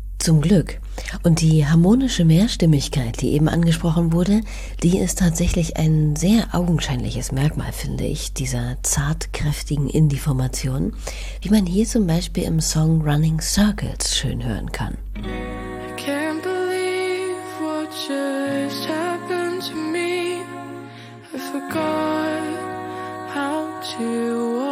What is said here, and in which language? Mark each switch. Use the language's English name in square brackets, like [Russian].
[German] Zum Glück. Und die harmonische Mehrstimmigkeit, die eben angesprochen wurde, die ist tatsächlich ein sehr augenscheinliches Merkmal, finde ich, dieser zartkräftigen Indie-Formation, wie man hier zum Beispiel im Song Running Circles schön hören kann. [English] I can't believe what just happened to me. I forgot how to